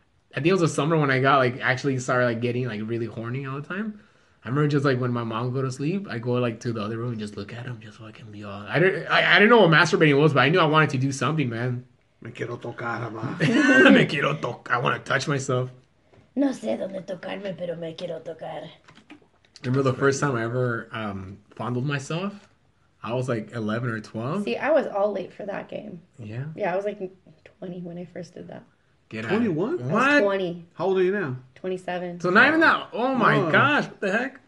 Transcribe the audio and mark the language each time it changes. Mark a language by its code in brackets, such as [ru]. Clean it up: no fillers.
[en] I think it was a summer when I got like actually started like getting like really horny all the time. I remember just like when my mom go to sleep, I go like to the other room and just look at him, just so I can be all. I didn't know what masturbating was, but I knew I wanted to do something, man. [es] Me quiero tocar, ma. Me quiero tocar. [en] I want to touch myself. [es] No sé dónde tocarme, pero me quiero tocar. [en] Remember the first time I ever fondled myself? I was like 11 or 12. See, I was all late for that game. Yeah? Yeah, I was like 20 when I first did that. Get 21? What? I was 20. How old are you now? 27. So not even that. Oh my gosh. What the heck?